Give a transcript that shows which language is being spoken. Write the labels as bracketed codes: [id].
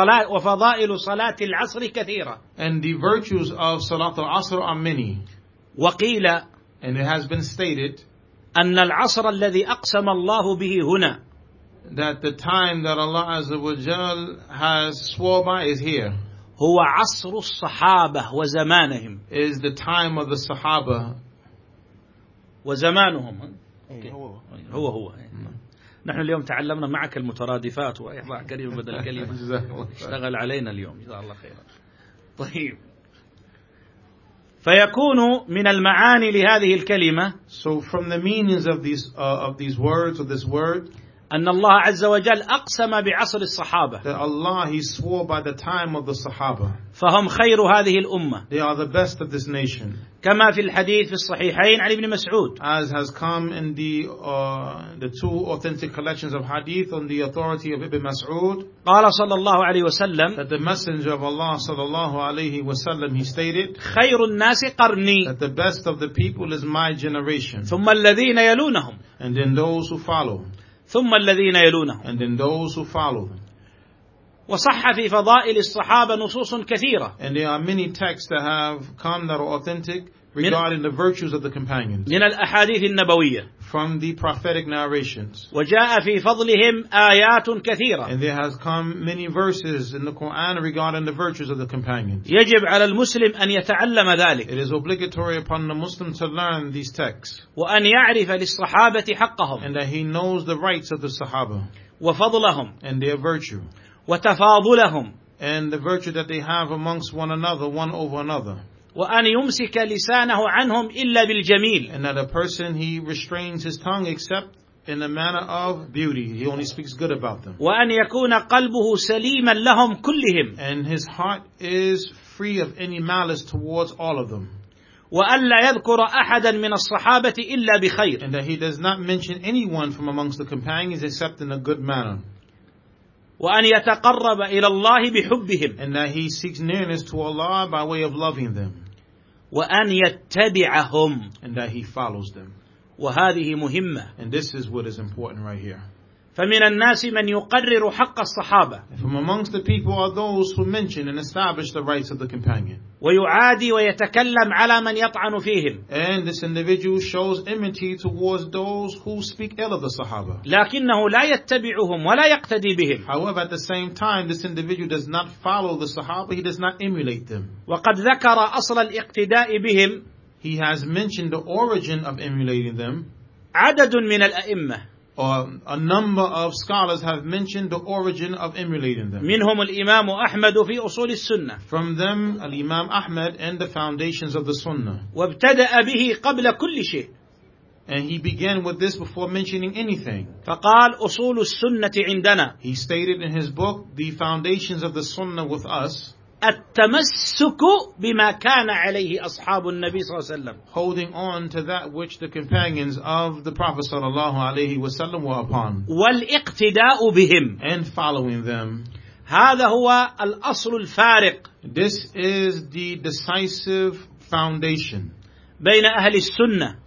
[ar] وفضائل صلاة العصر كثيرة [en] and the virtues of صلاة العصر are many [ar] وقيل [en] and it has been stated [ar] أن العصر الذي أقسم الله به هنا [en] that the time that Allah Azza wa Jal has swore by is here [ar] هو عصر الصحابة وزمانهم [en] is the time of the صحابة [ar] وزمانهم Okay. هو نحن اليوم تعلمنا معك المترادفات وإحضاء كلمة بدل كلمة اشتغل علينا اليوم جزاه الله خيرا طيب فيكون من المعاني لهذه الكلمة [en] so from the meanings of these words or this word [ar] أن الله عز وجل أقسم بعصر الصحابة [en] that Allah he swore by the time of the صحابة [ar] فهم خير هذه الأمة [en] they are the best of this nation [ar] كما في الحديث في الصحيحين عن ابن مسعود [en] as has come in the two authentic collections of hadith on the authority of Ibn Mas'ud [ar] قال صلى الله عليه وسلم [en] that the messenger of Allah [ar] صلى الله عليه وسلم [en] he stated [ar] خير الناس قرني [en] that the best of the people is my generation [ar] ثم الذين يلونهم [en] and then those who follow [ar] ثم الذين يلونهم [en] and then those who follow them [ar] وصح في فضائل الصحابة نصوص كثيرة [en] and there are many texts that have come that are authentic regarding the virtues of the companions [ar] من الأحاديث النبوية [en] from the prophetic narrations [ar] وجاء في فضلهم آيات كثيرة [en] and there has come many verses in the Quran regarding the virtues of the companions [ar] يجب على المسلم أن يتعلم ذلك [en] it is obligatory upon the Muslim to learn these texts [ar] وأن يعرف للصحابة حقهم [en] and that he knows the rights of the Sahaba [ar] وفضلهم [en] and their virtue [ar] وتفاضلهم [en] and the virtue that they have amongst one another one over another [ar] وأن يمسك لسانه عنهم إلا بالجميل [en] and that a person he restrains his tongue except in the manner of beauty he only speaks good about them [ar] وأن يكون قلبه سليما لهم كلهم [en] and his heart is free of any malice towards all of them [ar] وأن لا يذكر أحدا من الصحابة إلا بخير [en] and that he does not mention anyone from amongst the companions except in a good manner [ar] وأن يتقرب إلى الله بحبهم [en] and that he seeks nearness to Allah by way of loving them [ar] وأن يتبعهم [en] and that he follows them [ar] وهذه مهمة [en] and this is what is important right here [ar] فمن الناس من يقرر حق الصحابة [en] from amongst the people are those who mention and establish the rights of the companion [ar] ويعادي ويتكلم على من يطعن فيهم [en] and this individual shows enmity towards those who speak ill of the Sahaba [ar] لكنه لا يتبعهم ولا يقتدي بهم [en] however at the same time this individual does not follow the Sahaba he does not emulate them [ar] وقد ذكر أصل الاقتداء بهم [en] he has mentioned the origin of emulating them [ar] عدد من الأئمة [en] Or a number of scholars have mentioned the origin of emulating them. [ar] منهم الإمام أحمد في أصول السنة. [en] From them, Imam Ahmad and the foundations of the Sunnah. [ar] وابتدأ به قبل كل شيء. [en] And he began with this before mentioning anything. [ar] فقال أصول السنة عندنا. [en] He stated in his book, "The foundations of the Sunnah with us." [ar] التمسك بما كان عليه أصحاب النبي صلى الله عليه وسلم [en] holding on to that which the companions of the Prophet [ar] صلى الله عليه وسلم [en] were upon [ar] والاقتداء بهم [en] and following them [ar] هذا هو الأصل الفارق [en] this is the decisive foundation [ar] بين أهل السنة